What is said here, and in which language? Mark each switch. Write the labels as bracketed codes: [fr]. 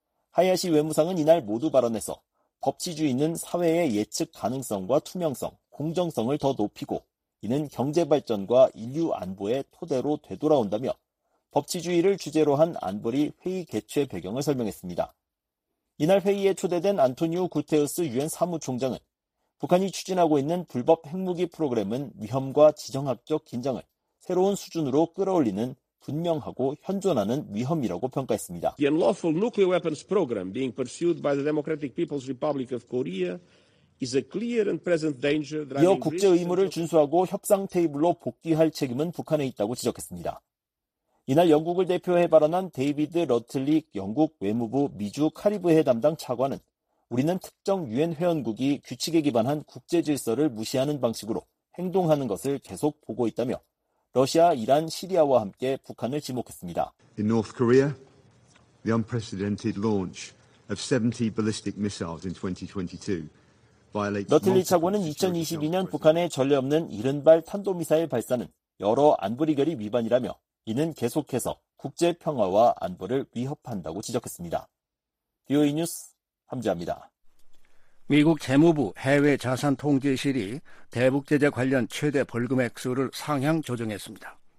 [ko] 하야시 외무상은 이날 모두 발언에서 법치주의는 사회의 예측 가능성과 투명성, 공정성을 더 높이고 이는 경제 발전과 인류 안보의 토대로 되돌아온다며 법치주의를 주제로 한 안보리 회의 개최 배경을 설명했습니다. 이날 회의에 초대된 안토니오 구테우스 유엔 사무총장은 북한이 추진하고 있는 불법 핵무기 프로그램은 위험과 지정학적 긴장을 새로운 수준으로 끌어올리는 분명하고 현존하는 위험이라고 평가했습니다. [en] The unlawful nuclear weapons program being pursued by the Democratic People's Republic of Korea is a clear and present danger. [ko] 이어 국제 의무를 준수하고 협상 테이블로 복귀할 책임은 북한에 있다고 지적했습니다. 이날 영국을 대표해 발언한 데이비드 러틀릭 영국 외무부 미주 카리브해 담당 차관은 우리는 특정 유엔 회원국이 규칙에 기반한 국제 질서를 무시하는 방식으로 행동하는 것을 계속 보고 있다며 러시아, 이란, 시리아와 함께 북한을 지목했습니다. [en] In North Korea, the unprecedented launch of 70 ballistic missiles in 2022. [ko] 러틀리 차관은 2022년 북한의 전례 없는 70발 탄도미사일 발사는 여러 안보리결의 위반이라며 이는 계속해서 국제 평화와 안보를 위협한다고 지적했습니다. VOA 뉴스 함지아입니다. 미국 재무부 해외자산통제실이 대북제재 관련 최대 벌금액수를 상향 조정했습니다.